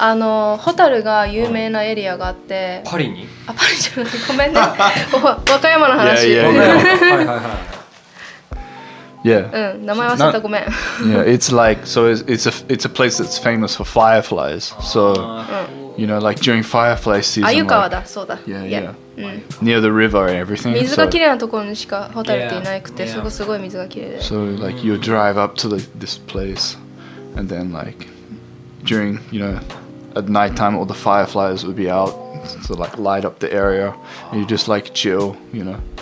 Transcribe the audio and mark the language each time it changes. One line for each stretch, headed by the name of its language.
Japanese: あの、ホタルが有名なエリアがあって。パリに？あ、パリじゃなくて、ごめんね。和歌山の話。
English: Yeah, yeah, yeah.
Japanese: はいはいはい。
English: Yeah.
Japanese: うん、名前忘れた、ごめん。
English: Yeah, it's like, so it's a place that's famous for fireflies. So, you know, like during firefly season.
Japanese: Ayukawa だ、そうだ。
English: Yeah, yeah. Near the river and everything.
Japanese: 水がきれいなところにしかホタルっていなくて、そこすごい水がきれいで。
English: So like you drive up to this place, and then like during you know at night time all the fireflies would be out, so like light up the area, and you just like chill, you know.